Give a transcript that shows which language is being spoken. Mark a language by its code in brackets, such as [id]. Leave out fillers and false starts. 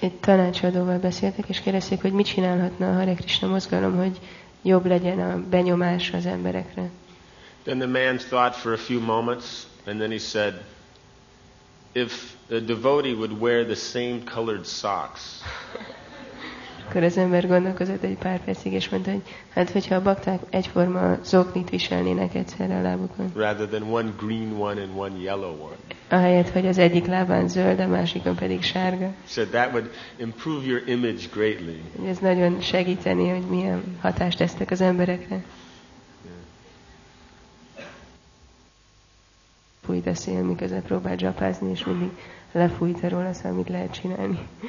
[hu] Egy tanácsadóval beszéltek, és kérdezték, hogy mit csinálhatna a Hare Krishna mozgalom, hogy jobb legyen a benyomás az emberekre. [en] Then the man thought for a few moments, and then he said, if a devotee would wear the same colored socks. [hu] Akkor az ember gondolkozott egy pár percig, és mondta, hogy hát, hogyha a bakták egyforma zoknit viselnének egyszerre a lábukon. [en] Rather than one green one and one yellow one. [hu] Ahelyett, hogy az egyik lábán zöld, a másikon pedig sárga. [en] So that would improve your image greatly. [hu] Ez nagyon segíteni, hogy milyen hatást tesztek az emberekre. Fújt a szél, miközben próbál dzsapázni, és mindig lefújt a róla, szóval mit lehet csinálni.